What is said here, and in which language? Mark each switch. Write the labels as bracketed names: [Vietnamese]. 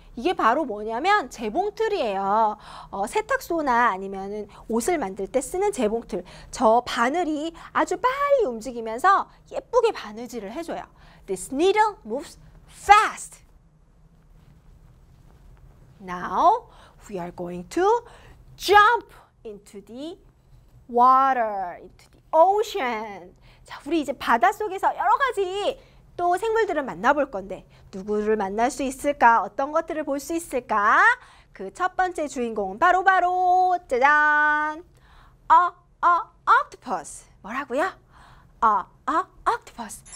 [Korean] 이게 바로 뭐냐면 재봉틀이에요. 세탁소나 아니면 옷을 만들 때 쓰는 재봉틀. 저 바늘이 아주 빨리 움직이면서 예쁘게 바느질을 해줘요. [English] This needle moves fast. Now we are going to jump into the water, into the ocean. [Korean] 자, 우리 이제 바다 속에서 여러 가지 또 생물들을 만나볼 건데 누구를 만날 수 있을까? 어떤 것들을 볼 수 있을까? 그 첫 번째 주인공은 바로 짜잔! Octopus. 뭐라고요? Octopus.